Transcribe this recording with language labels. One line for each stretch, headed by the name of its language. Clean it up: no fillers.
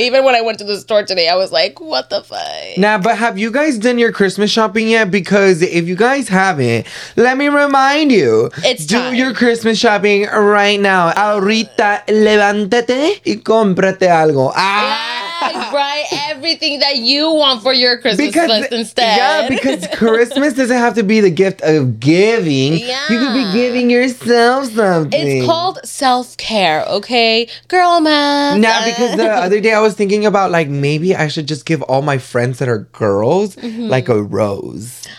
English: Even when I went to the store today, I was like, what the fuck? Nah, but have you guys done your Christmas shopping yet? Because if you guys haven't, let me remind you. It's do time. Your Christmas shopping right now.
Spanish: Ahorita levántate y cómprate algo.
English: Ah! Yeah. Buy everything that you want for your Christmas list instead. Yeah, because Christmas doesn't have to be the gift of giving. Yeah. You could be giving yourself something. It's called self-care, okay? Girl math. Nah, because the other day I was thinking about like maybe I should just give all my friends that are girls like a rose.